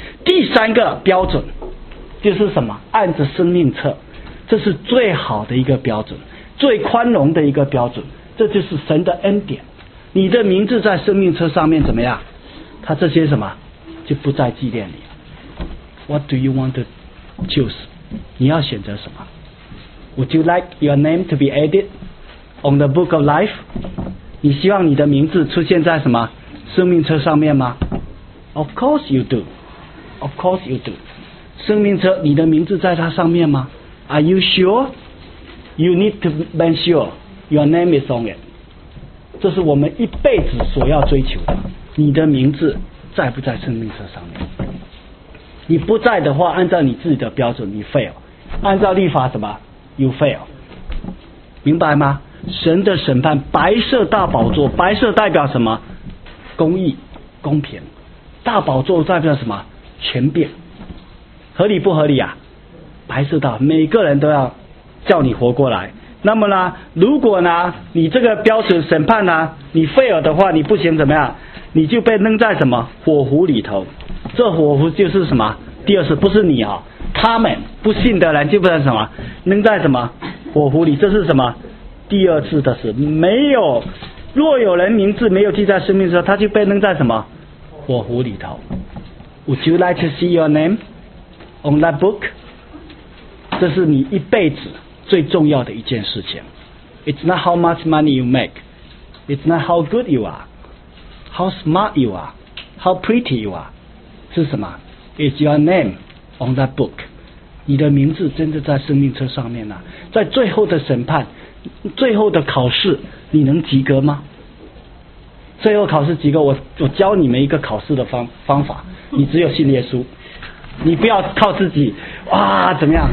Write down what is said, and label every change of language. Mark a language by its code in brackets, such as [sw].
[zh] 第三个标准就是什么？按着生命册，这是最好的一个标准，最宽容的一个标准，这就是神的恩典。你的名字在生命册上面怎么样？他这些什么就不再纪念你。 [en] What do you want to choose？ [zh] 你要选择什么？ [en] Would you like your name to be added on the book of life？ [zh] 你希望你的名字出现在什么生命册上面吗？ [en] Of course you do， Of course you do。 [zh] 生命册你的名字在它上面吗？ [en] Are you sure？ You need to be sure your name is on it。 [zh] 这是我们一辈子所要追求的，你的名字在不在生命册上面。你不在的话，按照你自己的标准你 fail， 按照律法什么 [en] you fail， [zh] 明白吗？神的审判，白色大宝座，白色代表什么？公义公平。大宝座代表什么？权柄。合理不合理啊？白色大，每个人都要叫你活过来。那么呢，如果呢你这个标准审判呢你 fail 的话，你不行怎么样？你就被扔在什么火湖里头。这火湖就是什么？第二次不是你啊、哦，他们不信的人就不能什么扔在什么火湖里。这是什么？第二次的事。没有，若有人名字没有记在生命册，他就被扔在什么火湖里头。 [en] Would you like to see your name on that book？ [zh] 这是你一辈子最重要的一件事情。 [en] It's not how much money you make. It's not how good you are, how smart you are, how pretty you are. [zh] 是什么？ [en] Is your name on that book？ [zh] 你的名字真的在生命册上面呢、啊？在最后的审判，最后的考试，你能及格吗？最后考试及格，我教你们一个考试的方法，你只有信耶稣，你不要靠自己，哇，怎么样？